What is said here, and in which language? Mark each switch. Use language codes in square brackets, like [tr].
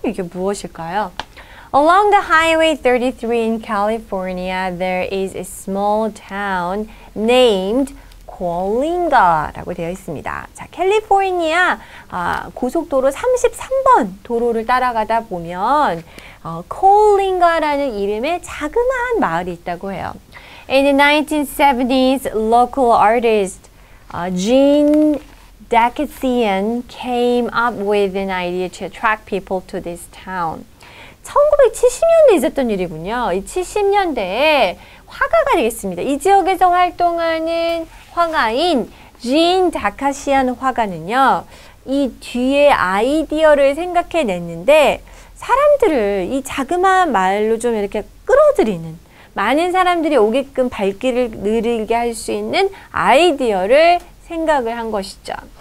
[ko] 이게 무엇일까요? [en] Along the Highway 33 in California, there is a small town named Coalinga라고 [ko] 되어 있습니다. 자, 캘리포니아 고속도로 33번 도로를 따라가다 보면 Coalinga라는 이름의 자그마한 마을이 있다고 해요. [en] In the 1970s, local artist Jean Dacacian came up with an idea to attract people to this town. [ko] 1970년대에 있었던 일이군요. 이 70년대에 화가가 되겠습니다. 이 지역에서 활동하는 화가인 진 다카시안 화가는요, 이 뒤에 아이디어를 생각해 냈는데, 사람들을 이 자그마한 마을로 좀 이렇게 끌어들이는, 많은 사람들이 오게끔 발길을 느리게 할수 있는 아이디어를 생각을 한 것이죠.